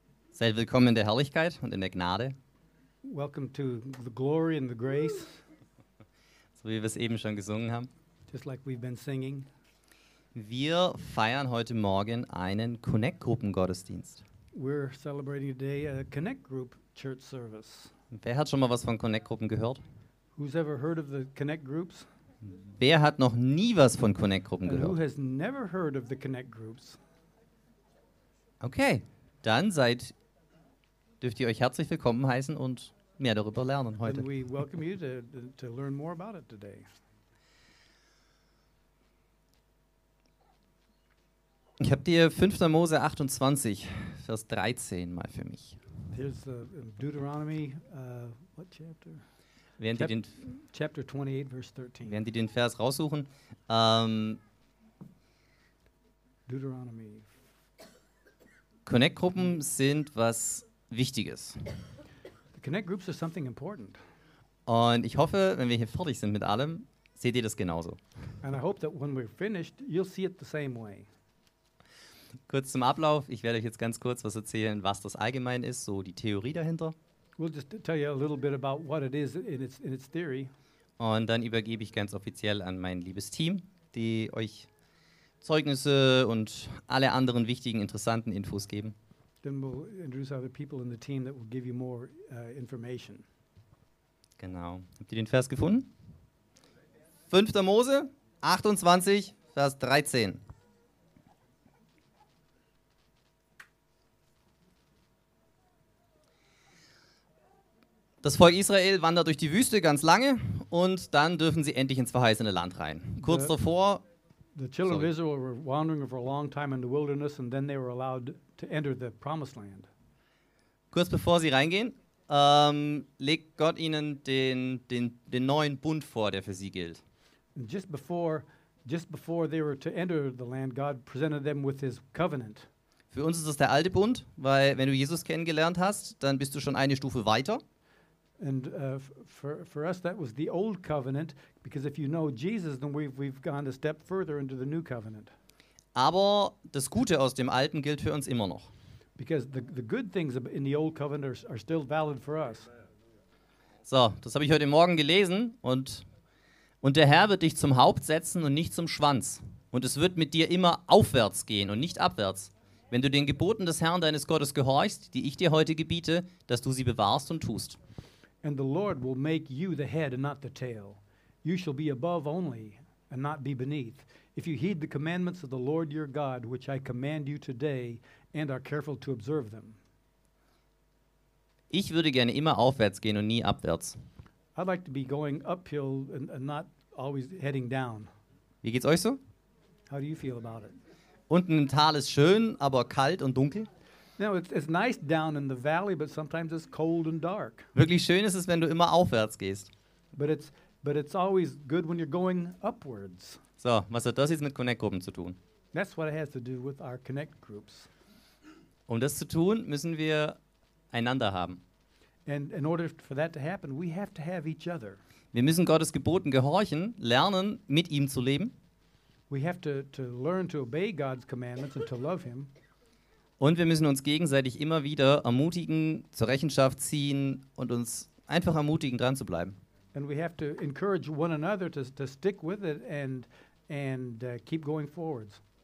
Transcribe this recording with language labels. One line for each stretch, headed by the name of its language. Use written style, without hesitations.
German: Seid willkommen in der Herrlichkeit und in der Gnade.
English: Welcome to the glory and the grace.
German: So wie wir es eben schon gesungen haben.
English: Just like we've been singing.
German: Wir feiern heute Morgen einen Connect-Gruppen-Gottesdienst.
English: We're celebrating today a Connect Group church service.
German: Wer hat schon mal was von Connect-Gruppen gehört?
English: Who's ever heard of the Connect Groups?
German: Wer hat noch nie was von Connect-Gruppen gehört?
English: Who has never heard of the Connect Groups?
German: Okay, dann dürft ihr euch herzlich willkommen heißen und mehr darüber lernen heute.
English: And we welcome you to learn more about it today.
German: Ich habe dir 5. Mose 28, Vers 13 mal für mich.
English: Here's the Deuteronomy, what chapter? Chapter 28, verse 13.
German: Während die den Vers raussuchen.
English: Deuteronomy.
German: Connect-Gruppen sind was Wichtiges.
English: The Connect Groups are something important.
German: Und ich hoffe, wenn wir hier fertig sind mit allem, seht ihr das genauso.
English: And I hope that when we're finished, you'll see it the same way.
German: Kurz zum Ablauf, ich werde euch jetzt ganz kurz was erzählen, was das allgemein ist, so die Theorie dahinter.
English: We'll just tell you a little bit about what it is in its theory.
German: Und dann übergebe ich ganz offiziell an mein liebes Team, die euch Zeugnisse und alle anderen wichtigen, interessanten Infos geben.
English: Then we'll introduce other people in the team that will give you more information.
German: Genau. Habt ihr den Vers gefunden? 5. Mose 28, Vers 13. Das Volk Israel wandert durch die Wüste ganz lange und dann dürfen sie endlich ins verheißene Land rein. Kurz davor.
English: The children of Israel were wandering for a long time in the wilderness and then they were allowed to enter the promised land.
German: Kurz bevor sie reingehen, legt Gott ihnen den neuen Bund vor, der für sie gilt.
English: And just before they were to enter the land, God presented them with his covenant.
German: Für uns ist das der alte Bund, weil wenn du Jesus kennengelernt hast, dann bist du schon eine Stufe weiter.
English: And for us, that was the old covenant, because if you know Jesus, then we've gone a step further into the new covenant.
German: Aber das Gute aus dem Alten gilt für uns immer noch.
English: Because the good things in the old covenant are still valid for us.
German: So, das habe ich heute Morgen gelesen, und der Herr wird dich zum Haupt setzen und nicht zum Schwanz. Und es wird mit dir immer aufwärts gehen und nicht abwärts, wenn du den Geboten des Herrn deines Gottes gehorchst, die ich dir heute gebiete, dass du sie bewahrst und tust.
English: And the Lord will make you the head and not the tail. You shall be above only and not be beneath. If you heed the commandments of the Lord your God, which I command you today, and are careful to observe them.
German: Ich würde gerne immer aufwärts gehen und nie abwärts.
English: I'd like to be going uphill and not always heading down.
German: Wie geht's euch so?
English: How do you feel about it?
German: Unten im Tal ist schön, aber kalt und dunkel.
English: Now it's nice down in the valley, but sometimes it's cold and dark.
German: Wirklich schön ist es, wenn du immer aufwärts gehst.
English: But it's always good when you're going upwards.
German: So, was hat das jetzt mit Connect-Gruppen zu tun?
English: That's what it has to do with our Connect groups.
German: Um das zu tun, müssen wir einander haben.
English: And in order for that to happen, we have to have each other.
German: Wir müssen Gottes Geboten gehorchen, lernen, mit ihm zu leben.
English: We have to learn to obey God's commandments and to love him.
German: Und wir müssen uns gegenseitig immer wieder ermutigen, zur Rechenschaft ziehen und uns einfach ermutigen, dran zu bleiben.
English: And we have to encourage one another to stick with it and keep going forwards.